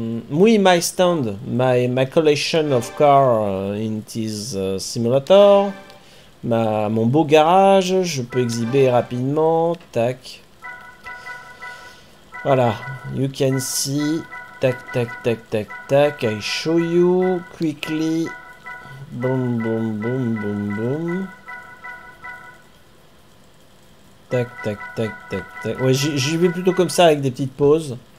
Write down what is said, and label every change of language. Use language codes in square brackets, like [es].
[en] Oui, my stand, my collection of cars in this simulator. [fr] Mon beau garage, je peux exhiber rapidement, tac. [en] Voilà, you can see, tac, tac, tac, tac, tac, I show you, quickly, boom, boom, boom, boom, boom. [fr] Tac, tac, tac, tac, tac, ouais, j'y vais plutôt comme ça avec des petites pauses.